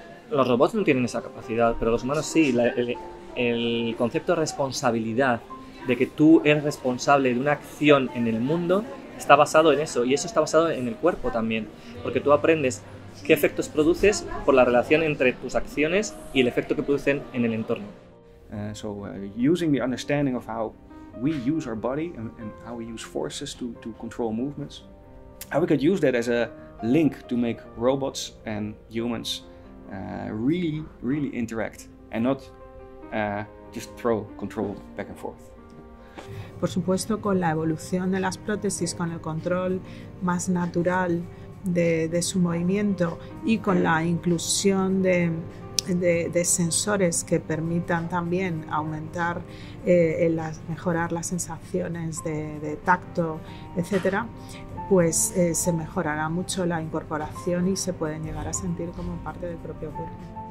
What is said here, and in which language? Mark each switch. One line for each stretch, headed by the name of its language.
Spanish: Los robots no tienen esa capacidad, pero los humanos sí. El concepto de responsabilidad de que tú eres responsable de una acción en el mundo está basado en eso, y eso está basado en el cuerpo también, porque tú aprendes qué efectos produces por la relación entre tus acciones y el efecto que producen en el entorno.
English: Using the understanding of how we use our body and how we use forces to control movements, how we could use that as a link to make robots and humans really, really interact and not just throw control back and forth.
Spanish: Por supuesto, con la evolución de las prótesis, con el control más natural de su movimiento y con la inclusión de sensores que permitan también aumentar mejorar las sensaciones de tacto, etc., pues se mejorará mucho la incorporación y se pueden llegar a sentir como parte del propio cuerpo.